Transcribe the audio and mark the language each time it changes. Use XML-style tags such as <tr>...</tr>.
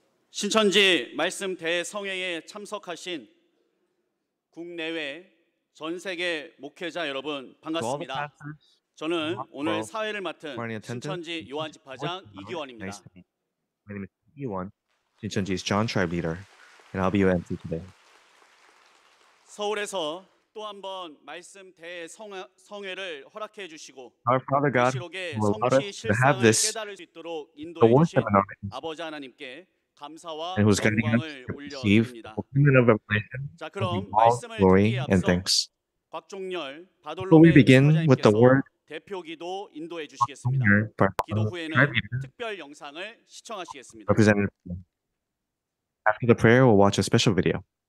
<ko>신천지 말씀 대성회에 참석하신 국내외 전 세계 목회자 여러분 반갑습니다. 저는 오늘 사회를 맡은 신천지 요한 집파장 이기원입니다.</ko> <en>Nice to meet you. My name is Iwon. Shincheonji's John Tribe Leader, and I'll be your MC today.</en> <ko>서울에서 또 한번 말씀 대성회를 허락해 주시고</ko> <en>Our Father God,</en> <ko>그 시록의 성취 실상을 깨달을 수 있도록 인도해 주신 아버지 하나님께 감사와 영광을 올려드립니다. 자 그럼 말씀을 듣기에 앞서 박종렬 바돌로메 대표 기도 인도해 주시겠습니다. 기도 후에는 특별 영상을 시청하시겠습니다.</ko> <en>After the prayer, we'll watch a special video.</en>